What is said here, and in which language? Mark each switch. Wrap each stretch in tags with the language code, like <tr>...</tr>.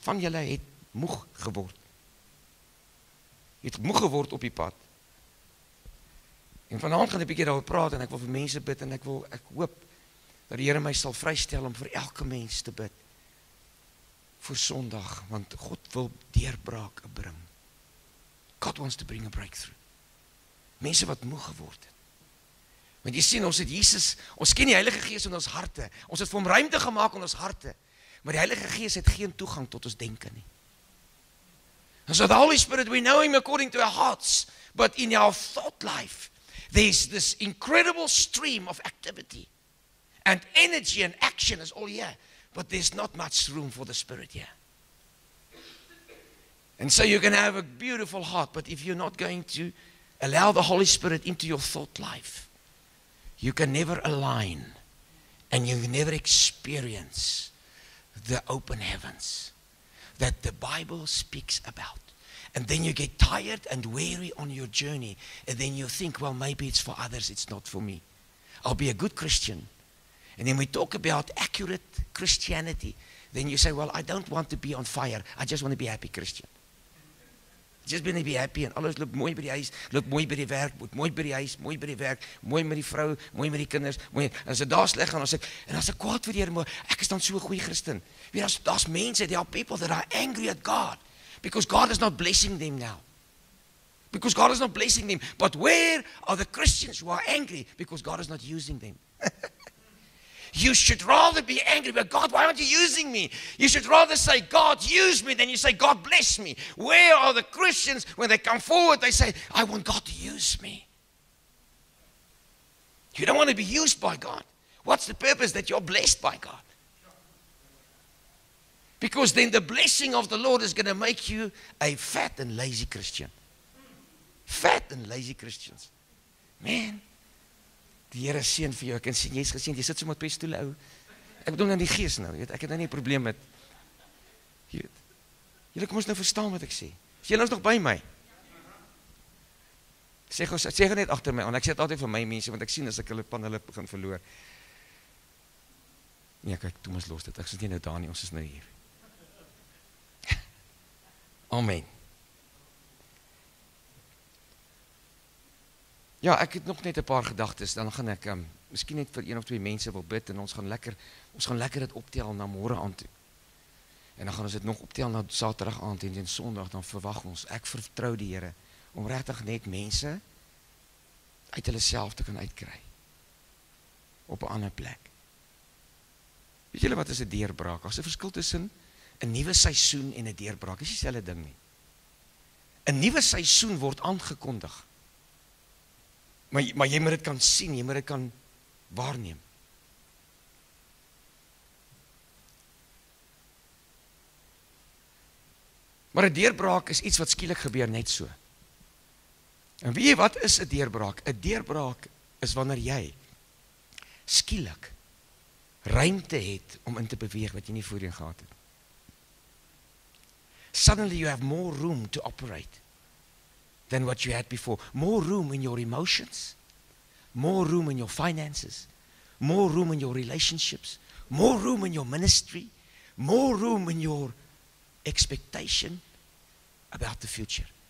<af>Van julle het moeg geword. Het moeg geword op die pad. En vanavond gaan ek 'n bietjie daarover praat en ek wil vir mense bid en ek hoop dat die Here my sal vrystel om vir elke mens te bid voor Sondag, want God wil deurbraak bring.</af> <en>God wants to bring a breakthrough.</en> <af>Mense wat moeg geword het. Want jy sien, ons het Jesus, ons ken die Heilige Gees in ons harte, ons het vir hom ruimte gemaak in ons harte, maar die Heilige Gees het geen toegang tot ons denke nie.</af> <en>And so the Holy Spirit, we know him according to our hearts, but in our thought life, there's this incredible stream of activity. And energy and action is all here. But there's not much room for the spirit here. And so you can have a beautiful heart. But if you're not going to allow the Holy Spirit into your thought life, you can never align. And you can never experience the open heavens that the Bible speaks about. And then you get tired and weary on your journey. And then you think, well, maybe it's for others. It's not for me. I'll be a good Christian. And then we talk about accurate Christianity. Then you say, well, I don't want to be on fire. I just want to be happy Christian. Just want to be happy.</en> <af>And alles loop mooi by die huis, loop mooi by die werk, moet mooi by die huis, mooi by die werk, mooi met die vrou, mooi met die kinders. Mooi. En as ek daar sleg gaan, as ek kwaad vir die Here, ek is dan so'n goeie Christen. Weet, as mense,</af> <en>there are people that are angry at God. Because God is not blessing them now. Because God is not blessing them. But where are the Christians who are angry? Because God is not using them. You should rather be angry, but God, why aren't you using me? You should rather say, God, use me, than you say, God, bless me. Where are the Christians when they come forward? They say, I want God to use me. You don't want to be used by God. What's the purpose that you're blessed by God? Because then the blessing of the Lord is going to make you a fat and lazy Christian. Fat and lazy Christians.</en> <af>Man, die Heere sien vir jou, ek kan sien, jy is gesien, jy sit so met twee stoele, ou. Ek bedoel dan die geest nou, weet, ek het nou nie probleem met, weet, jylle kom ons nou verstaan wat ek sê, is jylle ons nog by my? Sê gou net achter my, want ek sê het altyd vir my mense, want ek sien as ek hulle pan hulle begin verloor. Nee, kijk, Thomas los dit, ek sê nie nou daar nie, ons is nou hier. Amen. Ja, ek het nog net een paar gedagtes, dan gaan ek miskien net vir een of twee mense wil bid, en ons gaan lekker het optel na môre aan toe. En dan gaan ons het nog optel na saterdag aan toe, en sondag, dan verwag ons, ek vertrou die Here, om regtig net mense uit hulle self te kan uitkry, op een ander plek. Weet julle wat is 'n deurbraak? As 'n verskil tussen 'n nuwe seisoen en 'n deurbraak, is dieselfde ding nie. 'N nuwe seisoen word aangekondig, Maar jy moet dit kan sien, jy moet dit kan waarneem. Maar 'n deurbraak is iets wat skielik gebeur net so. En weet jy wat is 'n deurbraak? 'N deurbraak is wanneer jy skielik ruimte het om in te beweeg wat jy nie voorheen gehad het.</af> <en>Suddenly you have more room to operate than what you had before. More room in your emotions. More room in your finances. More room in your relationships. More room in your ministry. More room in your expectation about the future.</en>